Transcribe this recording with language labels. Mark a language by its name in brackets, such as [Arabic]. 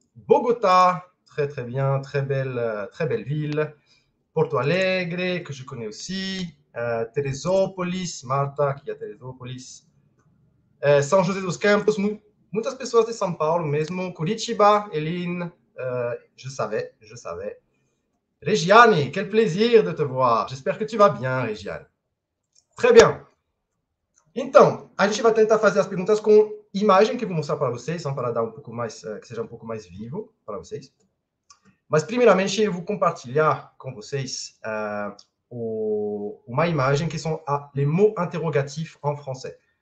[French] Bogota, très très bien, très belle ville. Porto Alegre, que je connais aussi. [Portuguese] Teresópolis, Marta, aqui é Teresópolis. São José dos Campos, mu muitas pessoas de São Paulo mesmo. [French] Curitiba, Eline, je savais, je savais. Regiane, quel plaisir de te voir. J'espère que tu vas bien, Regiane. Très bien. [Portuguese] Então, a gente vai tentar fazer as perguntas com imagem que eu vou mostrar para vocês, só para dar um pouco mais, que seja um pouco mais vivo para vocês. Mas, primeiramente, eu vou compartilhar com vocês uma imagem que são [French] les mots interrogatifs en français.